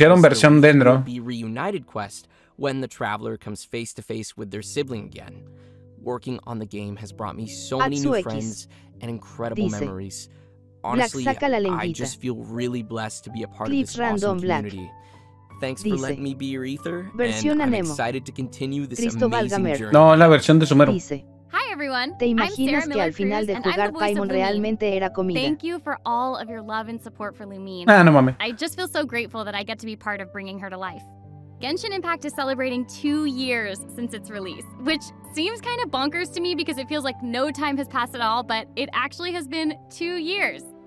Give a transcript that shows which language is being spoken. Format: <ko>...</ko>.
<en>the Be Reunited quest when the Traveler comes face to face with their sibling again. Working on the game has brought me so many new friends and incredible memories. Honestly, I just feel really blessed to be a part of this awesome community. Thanks for letting me be your Aether, and I'm excited to continue this amazing journey.</en> <es>No, la versión de Sumero.</es> <en>Hi everyone,</en> <es>¿te imaginas que al final de jugar Paimon realmente era comida?</es> <en>Thank you for all of your love and support for Lumine.</en> <es>Ah, no mames.</es> <en>I just feel so grateful that I get to be part of bringing her to life. Genshin Impact is celebrating 2 years since its release, which seems kind of bonkers to me because it feels like no time has passed at all, but it actually has been 2 years.</en>